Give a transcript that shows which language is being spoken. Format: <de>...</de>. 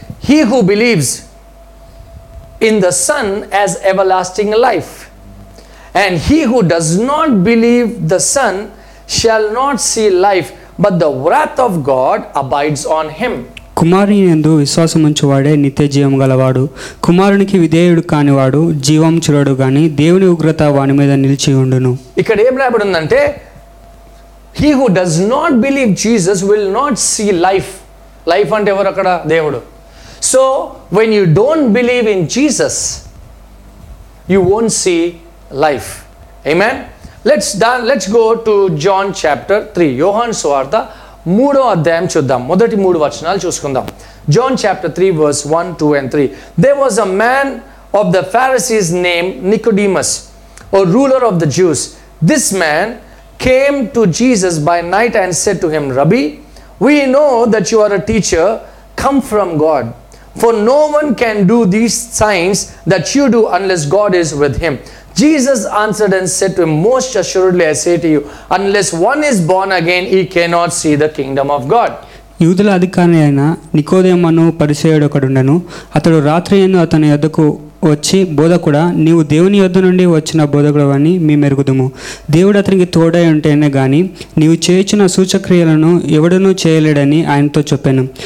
<en>He who believes in the Son has everlasting life, and he who does not believe the Son shall not see life, but the wrath of God abides on him.</en> <te>కుమారుని యందు విశ్వాసం ఉంచువాడే నిత్య జీవం గలవాడు, కుమారునికి విధేయుడు కానివాడు జీవం చూడడు గాని దేవుని ఉగ్రత వాని మీద నిలిచి ఉండును. ఇక్కడ ఏం రాయబడి ఉందంటే,</te> <en>He who does not believe Jesus will not see life.</en> <te>Life అంటే ఎవరు అక్కడ? దేవుడు.</te> <en>So when you don't believe in Jesus you won't see life. ఆమేన్. Let's go to John chapter 3,</en> <te>యోహాన్ సువార్త 3వ అధ్యాయం చూద్దాం. మొదటి 3 వచనాలు చూసుకుందాం. John chapter 3</te> <en>verse 1, 2, and 3. There was a man of the Pharisees name Nicodemus, a ruler of the Jews. This man came to Jesus by night and said to him, rabbi, we know that you are a teacher come from God, for no one can do these signs that you do unless God is with him. Jesus answered and said to him, most assuredly I say to you, unless one is born again, he cannot see the kingdom of God.</en> <te>యూదుల అధికారి అయిన నికోదేమును పరిసయ్యుడు ఒకడుండెను. అతడు రాత్రియందు అతని యొద్దకు వచ్చి, బోధకుడ, నీవు దేవుని యొద్ద నుండి వచ్చిన బోధకుడు అని మేము ఎరుగుదుము. దేవుడు అతనికి తోడై ఉంటేనే గాని నీవు చేయించిన సూచక్రియలను ఎవడనూ చేయలేడని ఆయనతో చెప్పాను.</te>